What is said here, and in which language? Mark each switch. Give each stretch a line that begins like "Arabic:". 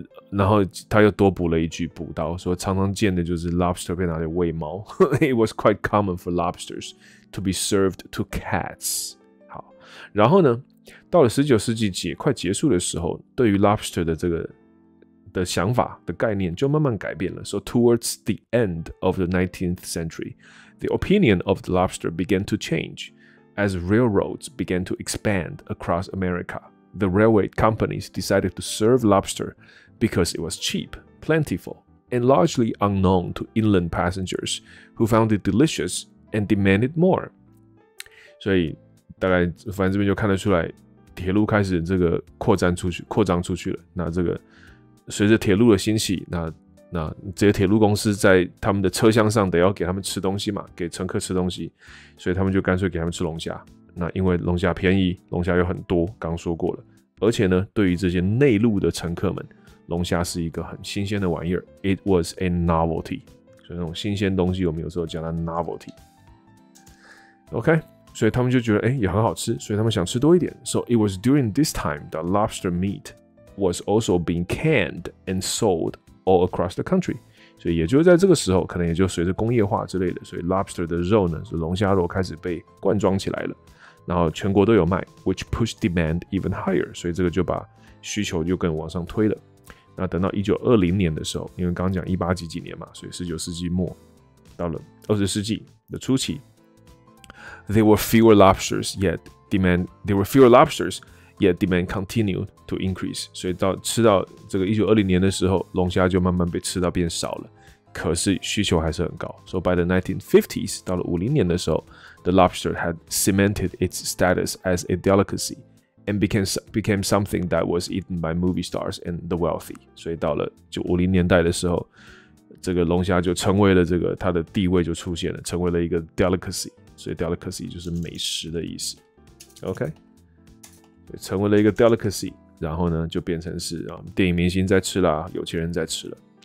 Chinese: 然后他又多补了一句，补刀说常常见的就是 lobster 被拿来喂猫。
English: It was quite common for lobsters to be served to cats。
Chinese: 好，然后呢，到了19世纪快结束的时候，对于 lobster 的这个的想法的概念就慢慢改变了。
English: So towards the end of the 19th century, the opinion of the lobster began to change as railroads began to expand across America. The railway companies decided to serve lobster because it was cheap, plentiful, and largely unknown to inland passengers who found it delicious and demanded more.
Chinese: 所以大概反正这边就看得出来，铁路开始这个扩张出去了。那这个随着铁路的兴起，那这些铁路公司在他们的车厢上得要给他们吃东西嘛，给乘客吃东西，所以他们就干脆给他们吃龙虾。那因为龙虾便宜，龙虾有很多，刚说过了。而且呢，对于这些内陆的乘客们，龙虾是一个很新鲜的玩意儿。
English: It was a novelty，
Chinese: 所以那种新鲜东西，我们有时候叫它 novelty。 OK， 所以他们就觉得，欸，也很好吃，所以他们想吃多一点。
English: So it was during this time that lobster meat was also being canned and sold all across the country。
Chinese: 所以也就是在这个时候，可能也就随着工业化之类的，所以 lobster 的肉呢，是龙虾肉开始被灌装起来了，然后全国都有卖 ，
English: which pushed demand even higher。
Chinese: 所以这个就把需求又更往上推了。那等到1920年的时候，因为刚讲18几几年嘛，所以19世纪末到了20世纪的初期 ，
English: there were fewer lobsters yet demand there were fewer lobsters yet demand continued to increase。
Chinese: 所以到吃到这个1920年的时候，龙虾就慢慢被吃到变少了，可是需求还是很高。
English: So by the 1950s
Chinese: 到了50年的时候
English: ，the lobster had cemented its status as a delicacy。 And became something that was eaten by movie stars and the wealthy.
Chinese: 所以到了就50年代的时候，这个龙虾就成为了这个它的地位就出现了，成为了一个 delicacy. 所以 delicacy 就是美食的意思。OK， 成为了一个 delicacy， 然后呢就变成是啊电影明星在吃啦，有钱人在吃了。